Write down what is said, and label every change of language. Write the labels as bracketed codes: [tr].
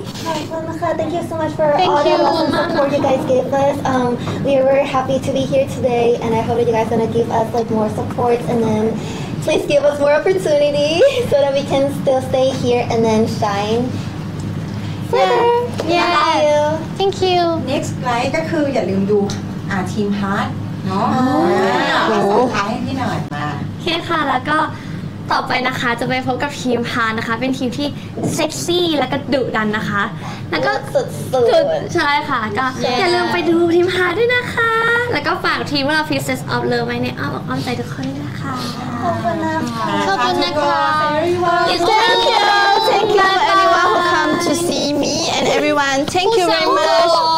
[en] Thank you so much for all the awesome support you guys gave us. We are very happy to be here today, and I hope that you guys are gonna give us like more support, and then please give us more opportunity so that we can still stay here and then shine. Yeah. Thank you. Next slide [th] ก็คืออย่าลืมดูทีมฮาร์ดเนาะโอ้โหสุดท้ายพี่หน่อยมา โอเคค่ะแล้วก็ต่อไปนะคะจะไปพบกับทีมฮานะคะเป็นทีมที่เซ็กซี่แล้วก็ดุดันนะคะแล้วก็ สุดๆใ ช่ค่ะก็อย่าลืมไปดูทีมฮาด้วยนะคะแล้วก็ฝากทีมเรา Pieces of Love ไว้ในอ้อมอกอ้อมใจทุกคนด้วยนะคะ ขอบคุ ณนะคะ ขอบคุ ณนะคะ [en] Thank you everyone who come to see me and everyone thank you very much